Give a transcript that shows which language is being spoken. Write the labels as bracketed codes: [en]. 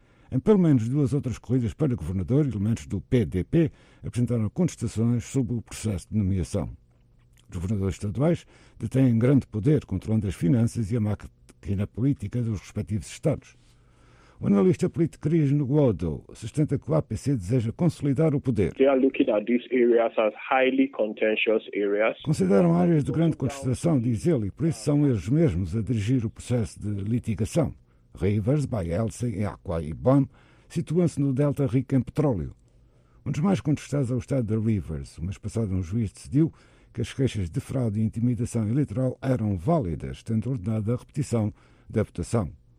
[pt] Em pelo menos duas outras corridas para governador, elementos do PDP apresentaram contestações sobre o processo de nomeação. Os governadores estaduais detêm grande poder, controlando as finanças e a máquina política dos respectivos estados. O analista político Chris Ngwodo sustenta que o APC deseja consolidar o poder. [en] They are looking at these areas as highly contentious areas. [pt] Consideram áreas de grande contestação, diz ele, e por isso são eles mesmos a dirigir o processo de litigação. Rivers, Bayelsa, Akwa e Bom situam-se no delta rico em petróleo. Um dos mais contestados é o estado de Rivers. O mês passado, um juiz decidiu que as queixas de fraude e intimidação eleitoral eram válidas, tendo ordenado a repetição da votação.